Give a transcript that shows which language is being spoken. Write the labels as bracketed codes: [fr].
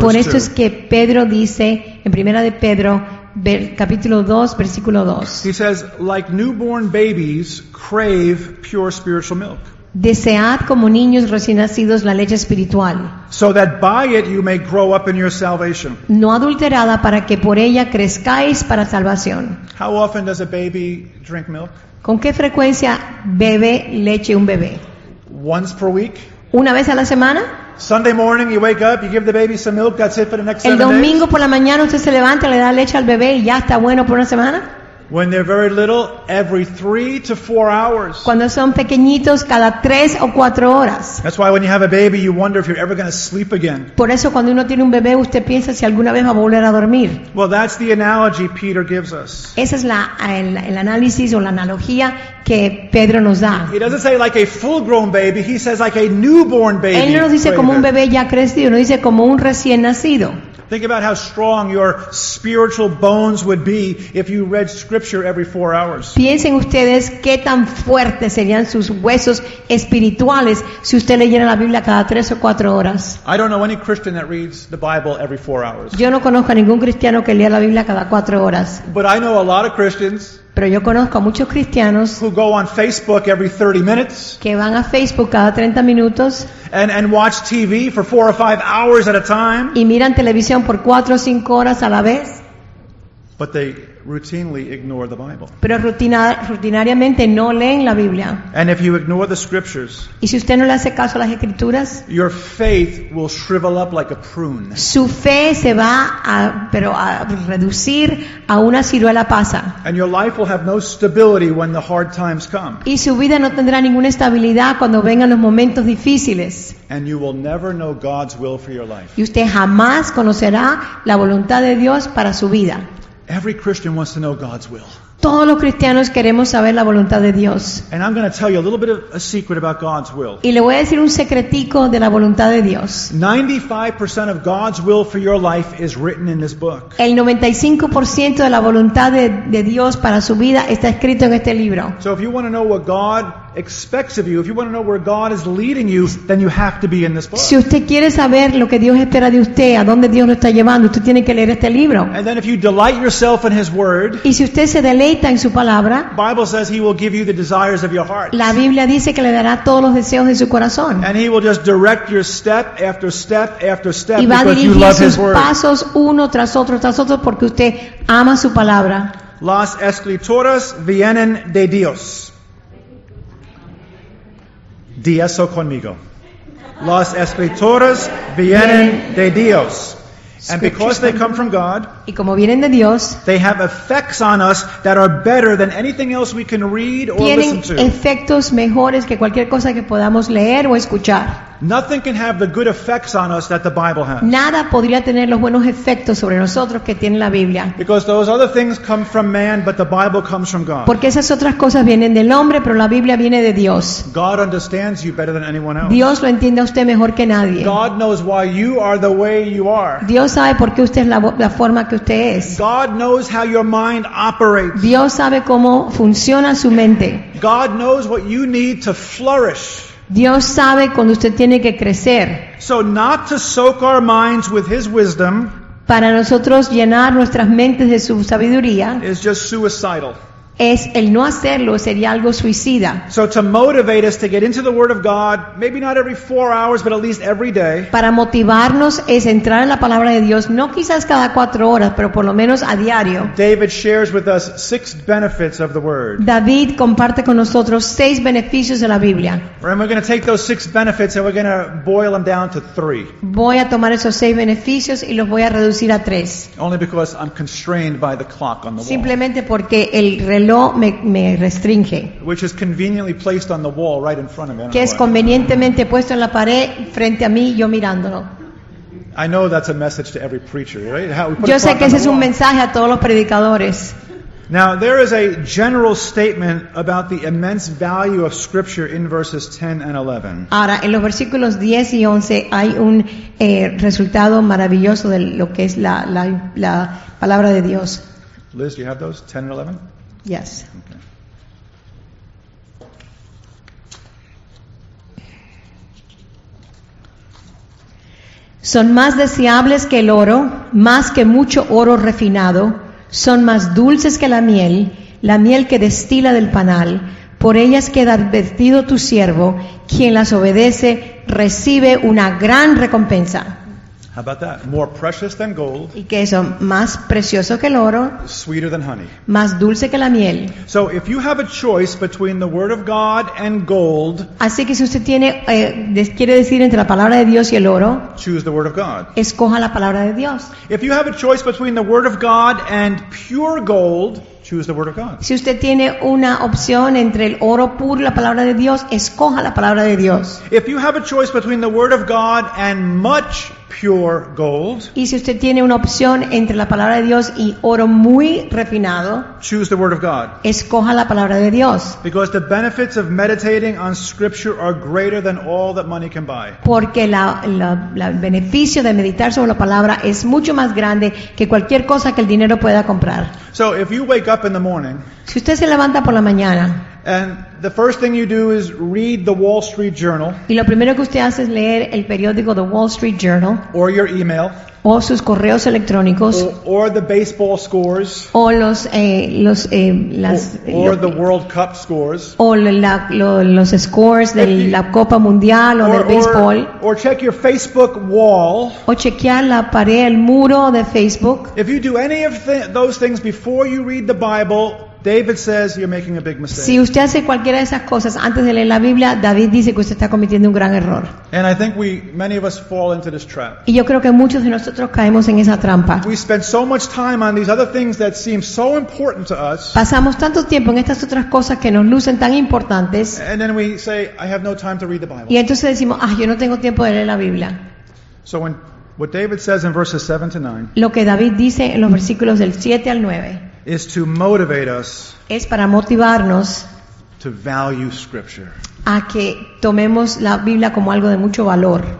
[es] Por esto es que Pedro dice en Primera de Pedro capítulo 2 versículo 2. [en] He says, like newborn babies crave pure spiritual milk. [es] Desead como niños recién nacidos la leche espiritual. [en] So that by it you may grow up in your salvation. [es] No adulterada para que por ella crezcáis para salvación. [en] How often does a baby drink milk? [es] ¿Con qué frecuencia bebe leche un bebé? [en] Once per week. [es] ¿Una vez a la semana? [en] Sunday morning you wake up, you give the baby some milk, that's it for the next 7 days. [es] El domingo por la mañana usted se levanta, le da leche al bebé y ya está bueno por una semana. [en] When they're very little, every 3 to 4 hours. [es] Cuando son pequeñitos, cada 3 o 4 horas. [en] That's why when you have a baby, you wonder if you're ever going to sleep again. [es] Por eso cuando uno tiene un bebé, usted piensa si alguna vez va a volver a dormir. [en] Well, that's the analogy Peter gives us. [es] Esa es el análisis o la analogía que Pedro nos da. [en] He doesn't say like a full-grown baby. He says like a newborn baby. [es] Él no nos dice como un bebé ya crecido. Nos dice como un recién nacido. [en] Think about how strong your spiritual bones would be if you read scripture every 4 hours. [es] Piensen ustedes qué tan fuertes serían sus huesos espirituales si usted leyera la Biblia cada 3 o 4 horas. [en] I don't know any Christian that reads the Bible every 4 hours. [es] Yo no conozco a ningún cristiano que lea la Biblia cada 4 horas. [en] But I know a lot of Christians. [es] Pero yo conozco a muchos cristianos [en] who go on Facebook every 30 minutes, [es] que van a Facebook cada 30 minutos [en] and watch TV for 4 or 5 hours at a time, [es] y miran televisión por 4 o 5 horas a la vez. [en] But they routinely ignore the Bible. [es] Pero rutinariamente no leen la Biblia. [en] And if you ignore the scriptures, [es] y si usted no le hace caso a las escrituras, [en] your faith will shrivel up like a prune. [es] Su fe se va a reducir a una ciruela pasa. [en] And your life will have no stability when the hard times come. [es] Y su vida no tendrá ninguna estabilidad cuando vengan los momentos difíciles. [en] And you will never know God's will for your life. [es] Y usted jamás conocerá la voluntad de Dios para su vida. [en] Every Christian wants to know God's will. [es] Todos los cristianos queremos saber la voluntad de Dios. [en] And I'm going to tell you a little bit of a secret about God's will. [es] Y le voy a decir un secretico de la voluntad de Dios. [en] 95% of God's will for your life is written in this book. [es] El 95% de la voluntad de Dios para su vida está escrito en este libro. [en] So if you want to know what God expects of you, if you want to know where God is leading you, then you have to be in this book. [es] Si usted quiere saber lo que Dios espera de usted, a dónde Dios lo está llevando, usted tiene que leer este libro. [en] And then if you delight yourself in his word, [es] y si usted se deleita en su palabra, [en] Bible says he will give you the desires of your heart. [es] La Biblia dice que le dará todos los deseos de su corazón. [en] And he will just direct your step after step after step, [es] y va [en] because [es] a dirigir [en] you love [es] sus [en] his word. [es] Pasos uno tras otro porque usted ama su palabra. Las escrituras vienen de Dios. Di eso conmigo. Las escrituras vienen de Dios. [en] And because they come from God, [es] y como vienen de Dios, [en] they have effects on us that are better than anything else we can read or listen to. [es] Tienen efectos mejores que cualquier cosa que podamos leer o escuchar. [en] Nothing can have the good effects on us that the Bible has. [es] Nada podría tener los buenos efectos sobre nosotros que tiene la Biblia. [en] Because those other things come from man, but the Bible comes from God. [es] Porque esas otras cosas vienen del hombre, pero la Biblia viene de Dios. [en] God understands you better than anyone else. [es] Dios lo entiende a usted mejor que nadie. [en] God knows why you are the way you are. [es] Dios sabe por qué usted es la forma que usted es. [en] God knows how your mind operates. [es] Dios sabe cómo funciona su mente. [en] God knows what you need to flourish. [es] Dios sabe cuando usted tiene que crecer. [en] So not to soak our minds with his wisdom, [es] para nosotros llenar nuestras mentes de su sabiduría, [en] is just suicidal. [es] Es el no hacerlo sería algo suicida. [en] So to motivate us to get into the word of God, maybe not every 4 hours, but at least every day. [es] Para motivarnos es entrar en la palabra de Dios, no quizás cada 4 horas, pero por lo menos a diario. [en] David shares with us 6 benefits of the word. [es] David comparte con nosotros 6 beneficios de la Biblia. [en] And we're going to take those 6 benefits and we're going to boil them down to 3. [es] Voy a tomar esos 6 beneficios y los voy a reducir a 3. [en] Only because I'm constrained by the clock on the wall. [es] Simplemente porque el reloj me restringe. [en] Which is conveniently placed on the wall right in front of me. [es] Que es convenientemente puesto en la pared frente a mí, yo mirándolo. [en] I know that's a message to every preacher, right? [es] Yo sé que ese es un mensaje a todos los predicadores. [en] Now there is a general statement about the immense value of Scripture in verses 10 and 11. [es] Ahora, en los versículos 10 y 11 hay un resultado maravilloso de lo que es la palabra de Dios. [en] Liz, do you have those 10 and 11? Yes. Okay. [es] Son más deseables que el oro, más que mucho oro refinado. Son más dulces que la miel que destila del panal. Por ellas queda advertido tu siervo, quien las obedece recibe una gran recompensa. [en] How about that? More precious than gold. [es] Y que eso, más precioso que el oro. [en] Sweeter than honey. [es] Más dulce que la miel. [en] So if you have a choice between the word of God and gold. [es] Así que si usted tiene quiere decir entre la palabra de Dios y el oro. [en] Choose the word of God. [es] Escoja la palabra de Dios. [en] If you have a choice between the word of God and pure gold, choose the word of God. [es] Si usted tiene una opción entre el oro puro y la palabra de Dios, escoja la palabra de Dios. [en] If you have a choice between the word of God and much pure gold. [es] Y si usted tiene una opción entre la palabra de Dios y oro muy refinado, [en] choose the word of God. [es] Escoja la palabra de Dios. [en] Because the benefits of meditating on Scripture are greater than all that money can buy. [es] Porque el beneficio de meditar sobre la palabra es mucho más grande que cualquier cosa que el dinero pueda comprar. [en] So if you wake up in the morning, [es] si usted se levanta por la mañana, [en] and the first thing you do is read the Wall Street Journal. [es] Y lo primero que usted hace es leer el periódico The Wall Street Journal. [en] Or your email. [es] O sus correos electrónicos. [en] Or the baseball scores. [es] O las. [en] Or the World Cup scores. [es] O los scores de la Copa Mundial o del béisbol. [en] Or check your Facebook wall. [es] O chequear la pared, el muro de Facebook. [en] If you do any of those things before you read the Bible, David says you're making a big mistake. [es] Si usted hace cualquiera de esas cosas antes de leer la Biblia, David dice que usted está cometiendo un gran error. [en] And I think many of us fall into this trap. [es] Y yo creo que muchos de nosotros caemos en esa trampa. [en] We spend so much time on these other things that seem so important to us. [es] Pasamos tanto tiempo en estas otras cosas que nos lucen tan importantes. [en] And then we say, I have no time to read the Bible. [es] Y entonces decimos, yo no tengo tiempo de leer la Biblia. [en] So when what David says in verses 7 to 9. [es] Lo que David dice en los versículos del 7 al 9. [en] Is to motivate us. [es] Es para motivarnos. [en] To value Scripture. [es] A que tomemos la Biblia como algo de mucho valor.